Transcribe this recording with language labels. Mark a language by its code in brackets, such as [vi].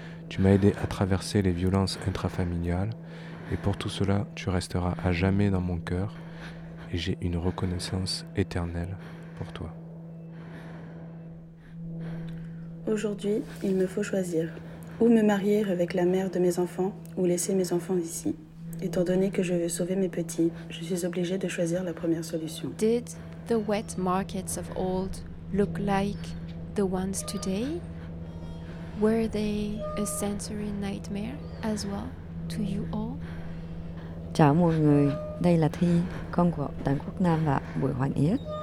[fr] Tu m'as aidé à traverser les violences intrafamiliales et pour tout cela, tu resteras à jamais dans mon cœur et j'ai une reconnaissance éternelle pour toi. Aujourd'hui, il me faut choisir ou me marier avec la mère de mes enfants ou laisser mes enfants ici. Étant donné que je veux sauver mes petits, je suis obligée de choisir la première solution. [en] Did the wet markets of old look like the ones today? Were they a sensory nightmare as well to you all? [vi] Chào mọi người, đây là Thi, con của Đặng Quốc Nam và Bùi Hoàng Yết.